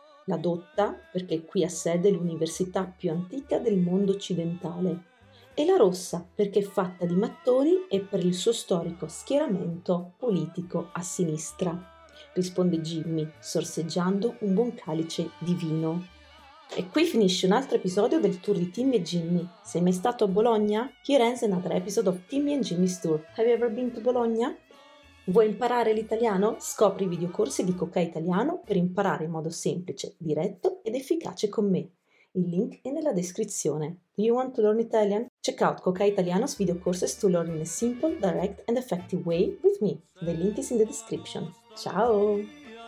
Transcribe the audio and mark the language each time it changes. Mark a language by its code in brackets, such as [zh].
[it] La dotta perché qui ha sede l'università più antica del mondo occidentale. E la rossa perché è fatta di mattoni e per il suo storico schieramento politico a sinistra, risponde Jimmy, sorseggiando un buon calice di vino. E qui finisce un altro episodio del tour di Timmy e Jimmy. Sei mai stato a Bologna? [en] Here ends another episode of Timmy and Jimmy's Tour. Have you ever been to Bologna? [it] Vuoi imparare l'italiano? Scopri i videocorsi di Cocai Italiano per imparare in modo semplice, diretto ed efficace con me. Il link è nella descrizione. [en] Do you want to learn Italian? Check out Cocai Italiano's videocourses to learn in a simple, direct and effective way with me. The link is in the description. Ciao!